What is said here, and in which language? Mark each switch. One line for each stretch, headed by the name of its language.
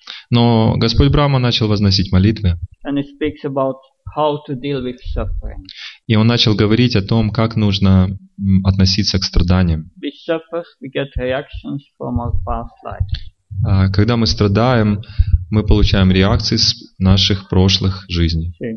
Russian: Но Господь Брахма начал возносить молитвы.
English: And he speaks about how to deal with suffering.
Russian: И он начал говорить о том, как нужно относиться к страданиям.
English: We suffer, we get reactions from our past life.
Russian: Когда мы страдаем, мы получаем реакции с наших прошлых жизней.